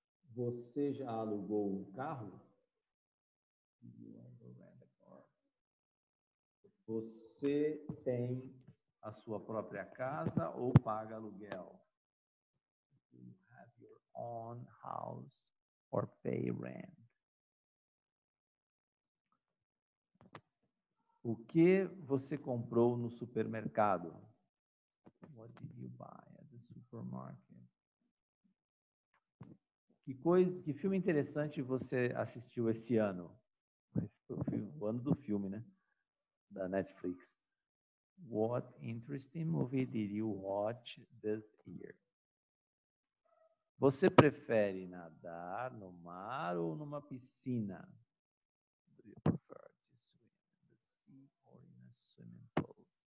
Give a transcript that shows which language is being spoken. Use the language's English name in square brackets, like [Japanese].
[Portuguese] Você já alugou um carro? [English] You ever rent a car? [Portuguese] Você tem a sua própria casa ou paga aluguel? [English] You have your own house or pay rent? [Portuguese] O que você comprou no supermercado? [English] What did you buy at the supermarket? [Portuguese] Que filme interessante você assistiu esse ano? O ano do filme, né? Da Netflix. [English] What interesting movie did you watch this year? [Portuguese] Você prefere nadar no mar ou numa piscina? [English] Do you prefer to swim in the sea or in a swimming pool?